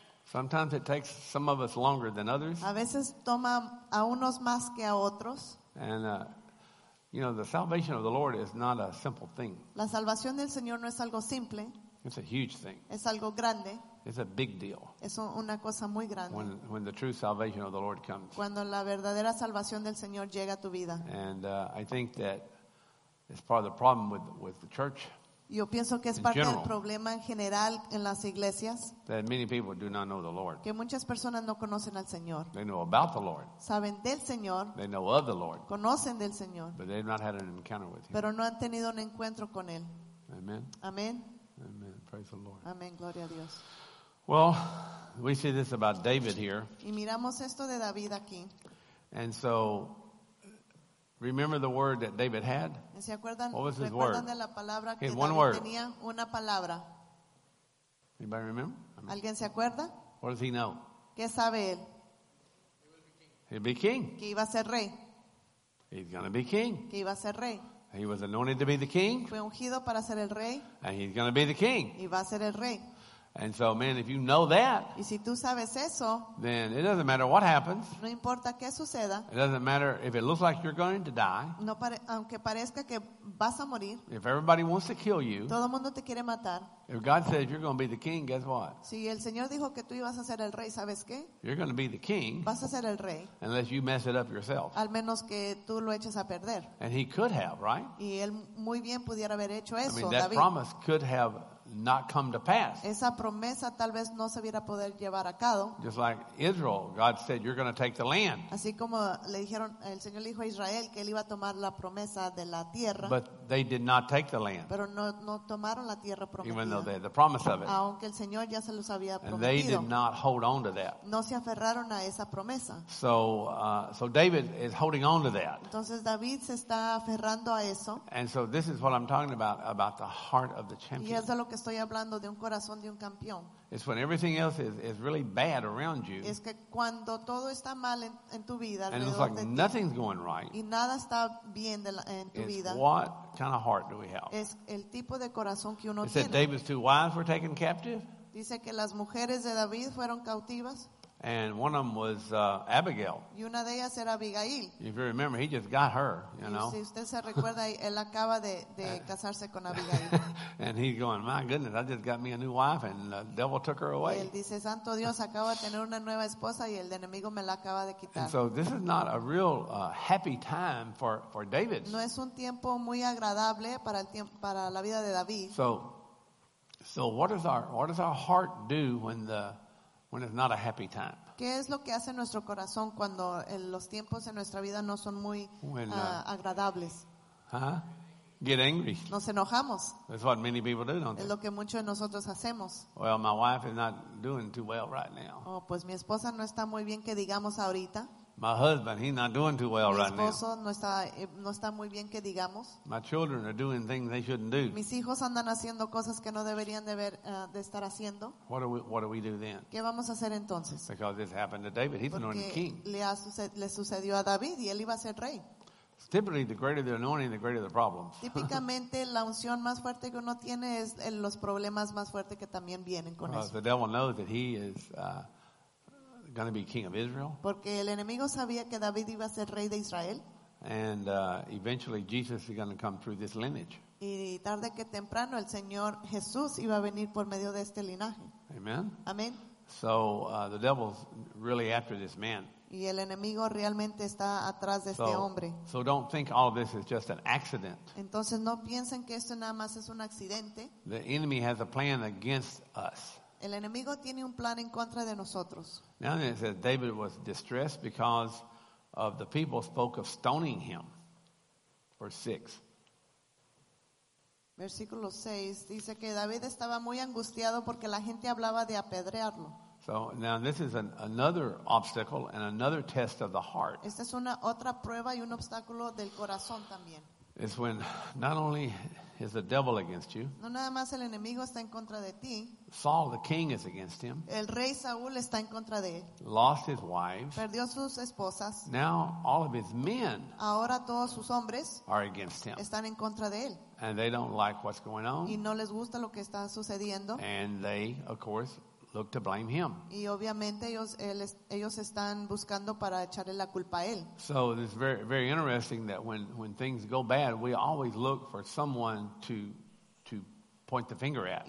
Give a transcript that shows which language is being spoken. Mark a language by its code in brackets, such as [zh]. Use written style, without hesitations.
[en] Sometimes it takes some of us longer than others. [es] A veces toma a unos más que a otros. [en] And you know, the salvation of the Lord is not a simple thing. [es] La salvación del Señor no es algo simple. [en] It's a huge thing. [es] Es algo grande. [en] It's a big deal. [es] Es una cosa muy grande. [en] When the true salvation of the Lord comes. [es] Cuando la verdadera salvación del Señor llega a tu vida. [en] And I think that it's part of the problem with the church. [es] Yo pienso que es parte del problema en general en las iglesias. [en] That many people do not know the Lord. [es] Que muchas personas no conocen al Señor. [en] They know about the Lord. [es] Saben del Señor. [en] They know of the Lord. [es] Conocen del Señor. [en] But they've not had an encounter with him. [es] Pero no han tenido un encuentro con él. [en] Amen. [es] Amen. [en] Amen. Praise the Lord. [es] Amen. Gloria a Dios. [en] Well, we see this about David here. [es] Y miramos esto de David aquí. [en] And so, remember the word that David had? What was his word? [es] De la palabra que [en] his David one word. [es] Tenía una palabra. [en] Anybody remember? I mean, [es] ¿alguien se acuerda? [en] What does he know? [es] ¿Qué sabe él? [en] He'll be king. [es] Que iba a ser rey. [en] He's going to be king. [es] Que iba a ser rey. [en] He was anointed to be the king. [es] Fue ungido para ser el rey. [en] And he's going to be the king. [es] Y va a ser el rey. [en] And so, man, if you know that, [es] y si tú sabes eso, [en] then it doesn't matter what happens. [es] No importa qué suceda, [en] it doesn't matter if it looks like you're going to die. [es] No aunque parezca que vas a morir, [en] if everybody wants to kill you, [es] todo mundo te quiere matar, [en] if God says you're going to be the king, guess what? [es] Si el Señor dijo que tú ibas a ser el rey, ¿sabes qué? [en] You're going to be the king, [es] vas a ser el rey, [en] unless you mess it up yourself. [es] Al menos que tú lo eches a perder. [en] And he could have, right? [es] Y él muy bien pudiera haber hecho eso, [en] I mean, that David. Promise could have not come to pass. [es] Esa promesa tal vez no se hubiera poder llevar a cabo. [en] Just like Israel, God said, you're going to take the land. [es] Así como le dijeron, el Señor le dijo a Israel que él iba a tomar la promesa de la tierra. [en] But they did not take the land. [es] Pero no tomaron la tierra prometida. [en] Even though they had the promise of it. [es] Aunque el Señor ya se los había prometido. [en] And they did not hold on to that. [es] No se aferraron a esa promesa. [en] So David is holding on to that. [es] Entonces David se está aferrando a eso. [en] And so this is what I'm talking about the heart of the champion. [es] Y eso es lo que estoy hablando de un corazón de un campeón. [en] It's when everything else is really bad around you. [es] Es que cuando todo está mal en tu vida, [en] and it's like nothing's going right. [es] Y nada está bien en tu vida. [en] What kind of heart do we have? [es] Es el tipo de corazón que uno tiene. [en] Said David's two wives were taken captive. [es] Dice que las mujeres de David fueron cautivas. [en] And one of them was Abigail. [es] Y una de ellas era Abigail. [en] If you remember, he just got her, you [es] y [en] know. [es] Si usted se recuerda, él acaba de casarse con Abigail. [en] And he's going, my goodness, I just got me a new wife and the devil took her away. [es] Y él dice, Santo Dios, acabo de tener una nueva esposa y el enemigo me la acaba de quitar. [en] And so this is not a real happy time for David. [es] No es un tiempo muy agradable para la vida de David. [en] So what does our heart do when it's not a happy time? [es] ¿Qué es lo que hace nuestro corazón cuando los tiempos en nuestra vida no son muy agradables? [en] Huh? Get angry. [es] Nos enojamos. [en] That's what many people do, don't they? [es] Es lo que muchos de nosotros hacemos. [en] Well, my wife is not doing too well right now. [es] Oh, pues mi esposa no está muy bien que digamos ahorita. [en] My husband, he's not doing too well right now. [es] Mi esposo no está muy bien que digamos. [en] My children are doing things they shouldn't do. [es] Mis hijos andan haciendo cosas que no deberían de estar haciendo. [en] What do we do then? [es] ¿Qué vamos a hacer entonces? [en] Because this happened to David, he's anointed king. [es] Le sucedió a David y él iba a ser rey. [en] Typically, the greater the anointing, the greater the problems. [es] Típicamente, la unción más fuerte que uno tiene es los problemas más fuertes que también vienen con eso. [en] The devil knows that he is going to be king of Israel. [es] Porque el enemigo sabía que David iba a ser rey de Israel. [en] And eventually Jesus is going to come through this lineage. [es] Y tarde que temprano el Señor Jesús iba a venir por medio de este linaje. [en] Amen. [es] Amen. [en] So the devil's really after this man. [es] Y el enemigo realmente está atrás de este hombre. [en] So don't think all this is just an accident. [es] Entonces no piensen que esto nada más es un accidente. [en] The enemy has a plan against us. [es] El enemigo tiene un plan en contra de nosotros. [en] Now it says David was distressed because of the people spoke of stoning him. Verse 6. [es] Versículo 6 dice que David estaba muy angustiado porque la gente hablaba de apedrearlo. [en] So now this is another obstacle and another test of the heart. [es] Esta es una otra prueba y un obstáculo del corazón también. [en] It's when not only is the devil against you. [es] No nada más el enemigo está en contra de ti. [en] Saul the king is against him. [es] El rey Saúl está en contra de él. [en] Lost his wives. [es] Perdió sus esposas. [en] Now all of his men. [es] Ahora todos sus hombres [en] are against him. [es] Están en contra de él. [en] And they don't like what's going on. [es] Y no les gusta lo que está sucediendo. [en] And they, of course, look to blame him. [es] Y obviamente ellos están buscando para echarle la culpa a él. [en] So it's very, very interesting that when things go bad, we always look for someone to point the finger at.